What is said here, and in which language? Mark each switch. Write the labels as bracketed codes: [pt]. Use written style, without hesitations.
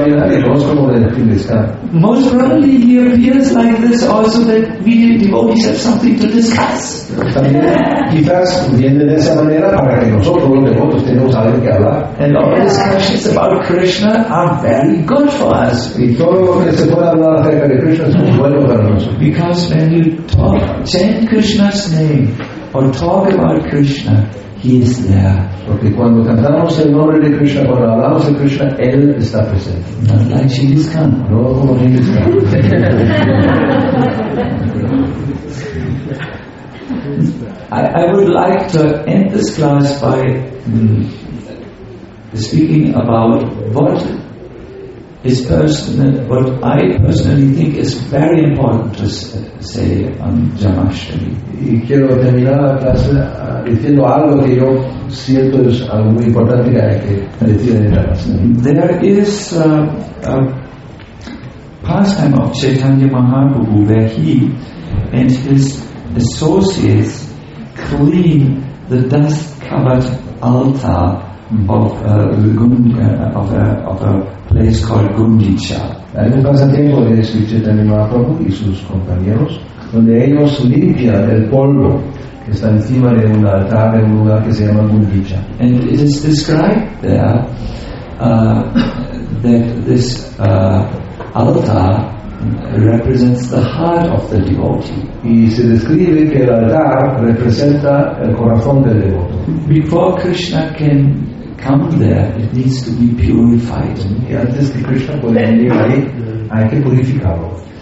[en] Most probably, he appears like this also that we devotees have something to discuss. [es] Quizás viene de esa manera para que nosotros los devotos tengamos algo que hablar. [en] And all discussions about Krishna are very good for us. [es] Y todo lo que se puede hablar acerca de Krishna es bueno para nosotros. [en] Because when you talk, chant Krishna's name, or talk about Krishna, he is there. [es] Porque cuando cantamos el nombre de Krishna, cuando hablamos de Krishna, él está presente. [en] Not like Genghis Khan. [es] No como Genghis Khan. [en] I would like to end this class by speaking about what is personal, what I personally think is very important to say on Jamashtami. [es] Y quiero terminar la clase diciendo algo que yo siento es algo muy importante que hay que decir en Jamashtami. [en] There is a pastime of Chaitanya Mahaprabhu where he and his associates clean the dust covered altar of a place called Gundicha. [es] Hay un pasatiempo de Sri Chaitanya Mahaprabhu y sus compañeros donde ellos limpian el polvo que está encima de un altar en un lugar que se llama Gundicha. [en] And it is described there that this altar represents the heart of the devotee. [es] Y se describe que el altar representa el corazón del devoto. [en] Before Krishna can come there, it needs to be purified. [es] Y antes que Krishna pueda venir ahí, hay que purificarlo.